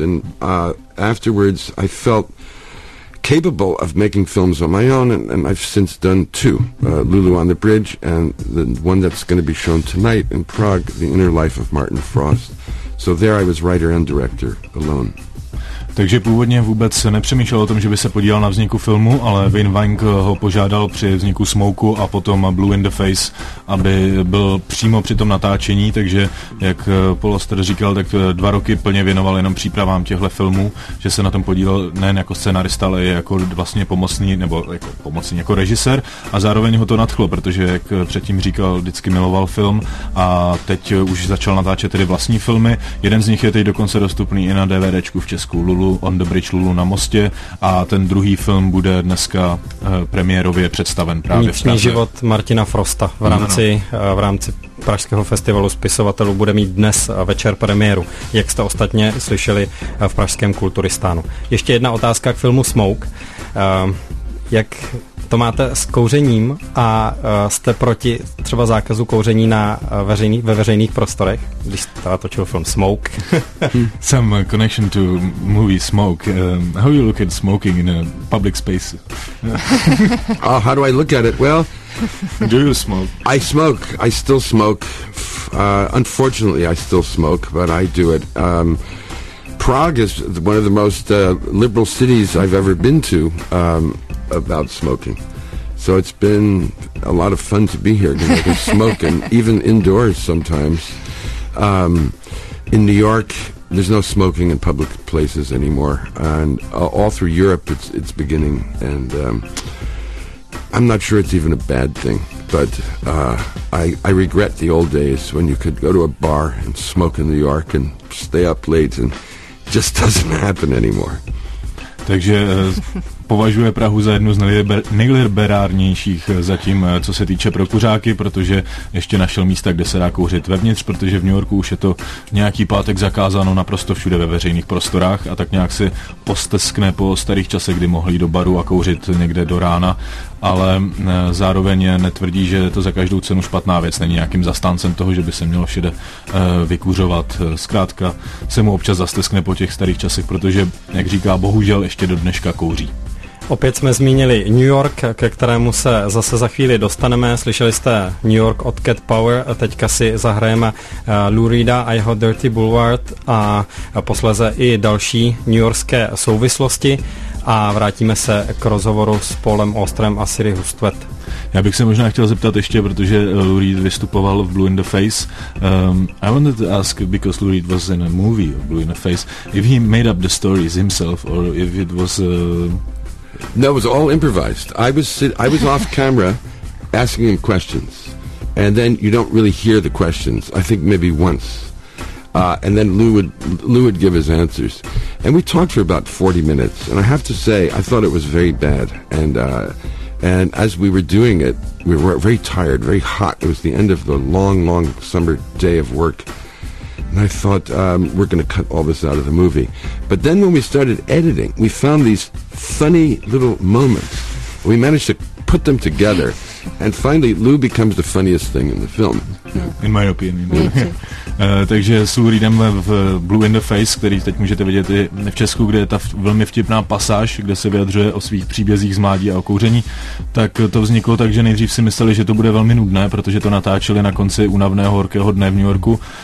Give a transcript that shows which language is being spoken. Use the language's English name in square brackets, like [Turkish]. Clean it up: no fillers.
[English] And afterwards, I felt capable of making films on my own, and I've since done two, Lulu on the Bridge and the one that's going to be shown tonight in Prague, The Inner Life of Martin Frost. So there I was writer and director alone. [Czech] Takže původně vůbec nepřemýšlel o tom, že by se podílal na vzniku filmu, ale Vin Vang ho požádal při vzniku Smoku a potom Blue in the Face, aby byl přímo při tom natáčení, takže jak Paul Auster říkal, tak 2 roky plně věnoval jenom přípravám těchto filmů, že se na tom podílel nejen jako scenarista, ale jako vlastně pomocný, nebo jako pomocný, jako režisér, a zároveň ho to nadchlo, protože jak předtím říkal, vždycky miloval film a teď už začal natáčet tedy vlastní filmy. Jeden z nich je teď dokonce dostupný i na DVDčku v Česku, Lulu on the Bridge, Lulu na mostě, a ten druhý film bude dneska premiérově představen právě Vnitřní v Praze. Život Martina Frosta v rámci Pražského festivalu spisovatelů bude mít dnes večer premiéru, jak jste ostatně slyšeli v pražském Kulturistánu. Ještě jedna otázka k filmu Smoke. Jak to máte s kouřením a jste proti třeba zákazu kouření ve veřejných prostorech, když jste točil film Smoke? [English] Some connection to movie Smoke. How you look at smoking in a public space? How do I look at it? Well, do you smoke? I smoke. I still smoke. Unfortunately, I still smoke, but I do it. Prague is one of the most liberal cities I've ever been to. About smoking. So it's been a lot of fun to be here, because I can smoke and even indoors sometimes. In New York, there's no smoking in public places anymore. And all through Europe, it's beginning. And I'm not sure it's even a bad thing. But I regret the old days when you could go to a bar and smoke in New York and stay up late, and it just doesn't happen anymore. [Czech] Takže považuje Prahu za jednu z nejliberárnějších zatím, co se týče pro kuřáky, protože ještě našel místa, kde se dá kouřit vevnitř, protože v New Yorku už je to nějaký pátek zakázáno naprosto všude ve veřejných prostorách a tak nějak si posteskne po starých časech, kdy mohli jít do baru a kouřit někde do rána, ale zároveň netvrdí, že to za každou cenu špatná věc, není nějakým zastáncem toho, že by se mělo všude vykuřovat. Zkrátka se mu občas zasteskne po těch starých časech, protože, jak říká, bohužel ještě do dneška kouří. Opět jsme zmínili New York, ke kterému se zase za chvíli dostaneme. Slyšeli jste New York od Cat Power, a teďka si zahrajeme Lou Reeda a jeho Dirty Boulevard a posléze i další newyorské souvislosti a vrátíme se k rozhovoru s Paulem Austrem a Siri Hustvedt. Já bych se možná chtěl zeptat ještě, protože Lou Reed vystupoval v Blue in the Face. [English] I wanted to ask, because Lou Reed was in a movie of Blue in the Face, if he made up the stories himself or if it was... No, it was all improvised. I was off camera asking him questions. And then you don't really hear the questions. I think maybe once. And then Lou would give his answers. And we talked for about 40 minutes. And I have to say, I thought it was very bad. And as we were doing it, we were very tired, very hot. It was the end of the long, long summer day of work. And I thought, we're going to cut all this out of the movie. But then when we started editing, we found these funny little moments. We managed to put them together. And finally, Lou becomes the funniest thing in the film. Yeah. In my opinion. [Czech] Takže s Lou Reedem v Blue in the Face, který teď můžete vidět i v Česku, kde je ta velmi vtipná pasáž, kde se vyjadřuje o svých příbězích z mládí a o kouření, tak to vzniklo tak, že nejdřív si mysleli, že to bude velmi nudné, protože to natáčeli na konci únavného horkého dne v New Yorku.